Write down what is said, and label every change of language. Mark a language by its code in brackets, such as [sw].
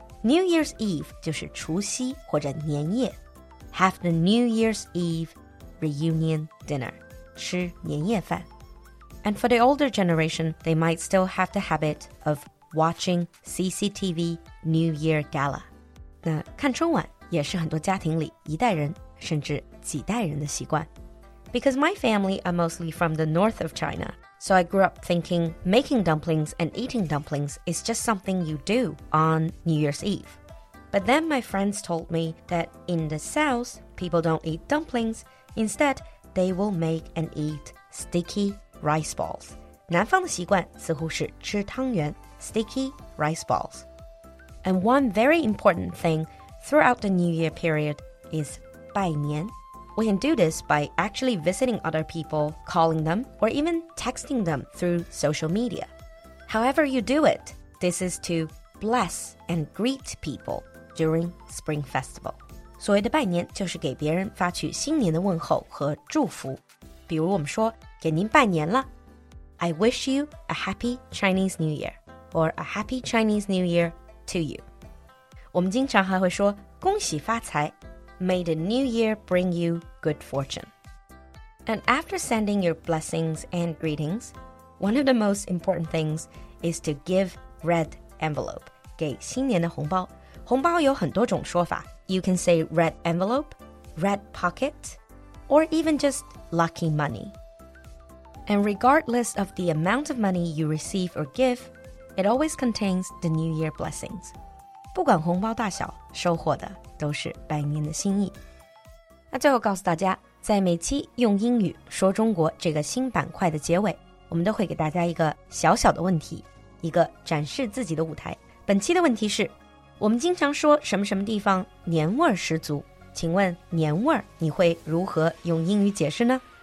[en] New Year's Eve [zh] 就是除夕或者年夜 [en] Have the New Year's Eve reunion dinner. [zh] 吃年夜饭 [en] And for the older generation, they might still have the habit of watching CCTV New Year Gala. [zh] 那看春晚也是很多家庭里一代人甚至几代人的习惯 [en] Because my family are mostly from the north of China So I grew up thinking making dumplings and eating dumplings is just something you do on New Year's Eve But then my friends told me that in the south people don't eat dumplings Instead, they will make and eat sticky rice balls [zh] 南方的习惯似乎是吃汤圆 [en] sticky rice ballsAnd one very important thing throughout the New Year period is [zh] 拜年 [en] We can do this by actually visiting other people, calling them, or even texting them through social media. However you do it, this is to bless and greet people during Spring Festival. [zh] 所谓的拜年就是给别人发去新年的问候和祝福。比如我们说给您拜年了 [en] I wish you a happy Chinese New Year, or a happy Chinese New YearTo you. [zh] 我们经常还会说恭喜发财 [en] May the new year bring you good fortune. And after sending your blessings and greetings, one of the most important things is to give red envelope [zh] 给新年的红包红包有很多种说法。 [en] You can say red envelope, red pocket, or even just lucky money. And regardless of the amount of money you receive or give, it always contains the New Year blessings. [zh] 不管红包大小，收获的都是百年的心意。那最后告诉大家，在每期用英语说中国这个新板块的结尾，我们都会给大家一个小小的问题，一个展示自己的舞台。本期的问题是，我们经常说什么什么地方年味十足，请问年味你会如何用英语解释呢？